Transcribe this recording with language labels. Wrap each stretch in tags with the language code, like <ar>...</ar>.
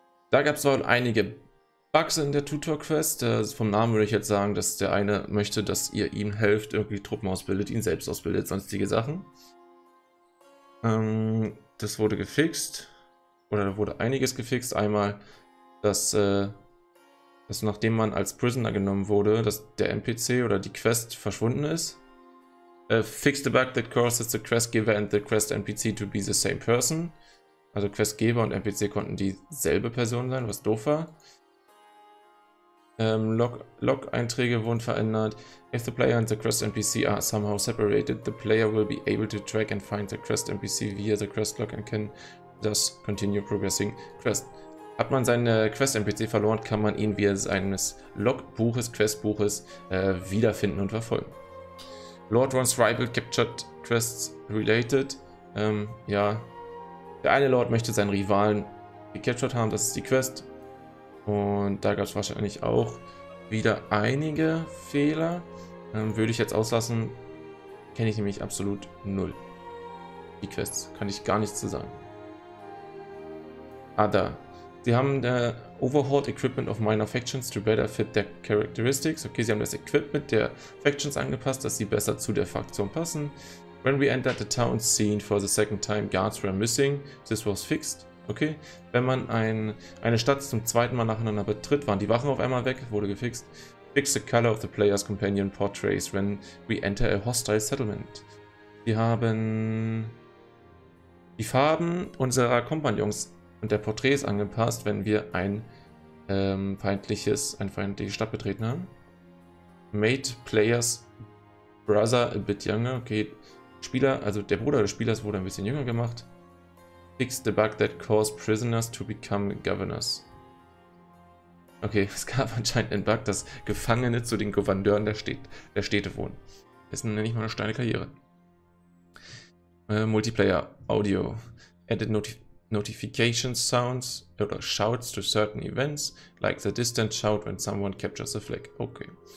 <de>Da gab es wohl einige Bugs in der Tutor Quest. Vom Namen würde ich jetzt sagen, dass der eine möchte, dass ihr ihm helft, irgendwie Truppen ausbildet, ihn selbst ausbildet, sonstige Sachen. Das wurde gefixt. Oder da wurde einiges gefixt. Einmal, dass nachdem man als Prisoner genommen wurde, dass der NPC oder die Quest verschwunden ist.</de> <en>Fix the bug that causes the quest giver and the quest NPC to be the same person.</en> <de>Also Questgeber und NPC konnten dieselbe Person sein, was doof war. Log-Einträge wurden verändert.</de> <en>If the player and the quest NPC are somehow separated, the player will be able to track and find the quest NPC via the quest log and can das Continue Progressing Quest.</en> <de>Hat man seine Quest-NPC verloren, kann man ihn via seines Logbuches, Questbuches wiederfinden und verfolgen.</de> <en>Lord wants rival captured quests related.</en> <de>Ja, der eine Lord möchte seinen Rivalen gecaptured haben, das ist die Quest. Und da gab es wahrscheinlich auch wieder einige Fehler. Würde ich jetzt auslassen, kenne ich nämlich absolut null. Die Quests, kann ich gar nichts zu sagen. Ah, da. Sie haben</de> <en>overhauled equipment of minor factions to better fit their characteristics.</en> <de>Okay, sie haben das Equipment der Factions angepasst, dass sie besser zu der Fraktion passen.</de> <en>When we entered the town scene for the second time, guards were missing. This was fixed.</en> <de>Okay, wenn man eine Stadt zum zweiten Mal nacheinander betritt, waren die Wachen auf einmal weg, wurde gefixt.</de> <en>Fix the color of the player's companion portrays when we enter a hostile settlement.</en> <de>Wir haben die Farben unserer Kompagnons und der Porträts angepasst, wenn wir eine feindliche Stadt betreten haben.</de> <en>Made players brother a bit younger.</en> <de>Okay, Spieler, also der Bruder des Spielers wurde ein bisschen jünger gemacht.</de> <en>Fix the bug that caused prisoners to become governors.</en> <de>Okay, es gab anscheinend einen Bug, dass Gefangene zu den Gouverneuren der Städte wurden. Das nenne ich mal eine steile Karriere.</de> <en>Multiplayer Audio. Added notification sounds oder shouts to certain events, like the distant shout when someone captures a flag. Okay.</en>